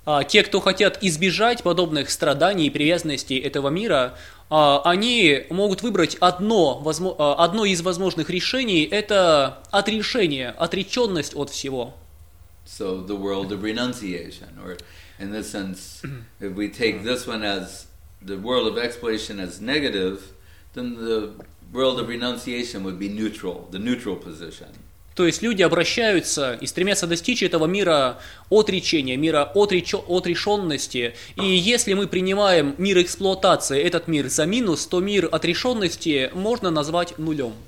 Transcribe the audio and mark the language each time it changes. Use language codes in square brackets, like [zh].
[ru] Те, кто хотят избежать подобных страданий и привязанностей этого мира, они могут выбрать одно из возможных решений – это отрешение, отреченность от всего. [en] So the world of renunciation, or in this sense, if we take this one as the world of exploitation as negative, then the world of renunciation would be neutral, the neutral position. [ru] То есть люди обращаются и стремятся достичь этого мира отречения, мира отрешенности. И если мы принимаем мир эксплуатации, этот мир за минус, то мир отрешенности можно назвать нулем.